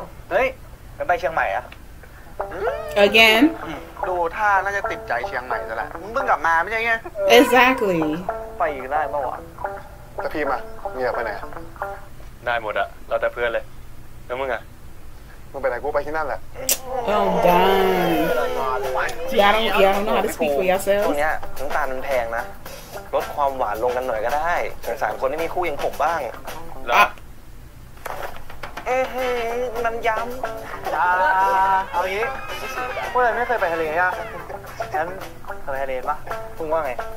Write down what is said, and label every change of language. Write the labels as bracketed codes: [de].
[th] เฮ้ยมันไปเชียงใหม่อ่ะ [en] Again [th] ดูท่าน่าจะติดใจเชียงใหม่ซะละมึงเพิ่งกลับมาไม่ใช่ไง [en] Exactly [th] ไปอีกได้ปะวะ แต่พี่มาเงียบไปไหน ได้หมดอะเราแต่เพื่อนเลยแล้วมึงอะ มึงไปไหนกูไปที่นั่นแหละ [en] โอ้ damn y'all don't know how to speak for yourselves [th] ตรงเนี้ยน้ำตาลมันแพงนะลดความหวานลงกันหน่อยก็ได้สงสารคนที่มีคู่อย่างผมบ้าง ละ เอ้ยมันย้ำ จ้าเอางี้พวกเราไม่เคยไปทะเลอะฉันเคยไปทะเลปะพึ่งว่าไง